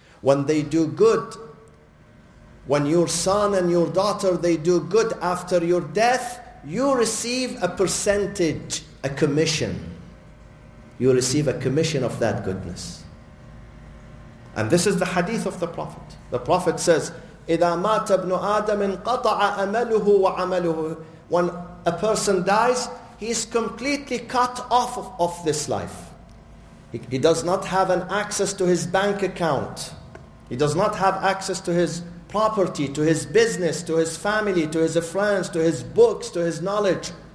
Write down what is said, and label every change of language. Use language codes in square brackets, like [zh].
[en] When they do good, when your son and your daughter, they do good after your death, you receive a percentage, a commission. You receive a commission of that goodness. And this is the hadith of the Prophet. The Prophet says, [ar] إِذَا مَاتَ ابْنُ آدَمٍ قَطَعَ أَمَلُهُ وَعَمَلُهُ. [en] When a person dies, he is completely cut off of this life. He does not have an access to his bank account. He does not have access to his property, to his business, to his family, to his friends, to his books, to his knowledge.